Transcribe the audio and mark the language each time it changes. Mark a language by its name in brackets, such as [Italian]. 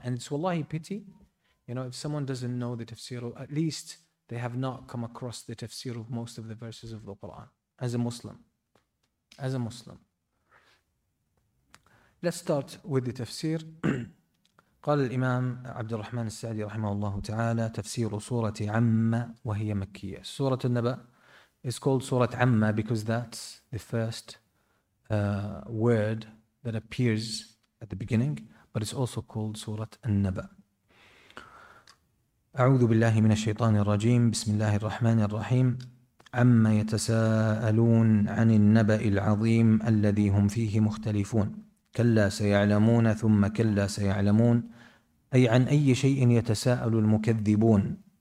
[English] And it's wallahi pity. You know, if someone doesn't know the tafsir, at least they have not come across the tafsir of most of the verses of the Quran as a Muslim. Let's start with the tafsir. [Arabic] قال الإمام عبد الرحمن السعدي رحمه الله تعالى تفسير سورة عمة وهي مكية. [English] سورة النبأ is called سورة عمة because that's the first word that appears at the beginning, but it's also called سورة النبأ. [Arabic] أعوذ بالله من الشيطان الرجيم بسم الله الرحمن الرحيم عما يتساءلون عن النبأ العظيم الذي هم فيه مختلفون كلا سيعلمون ثم كلا سيعلمون أي عن أي شيء يتساءل المكذبون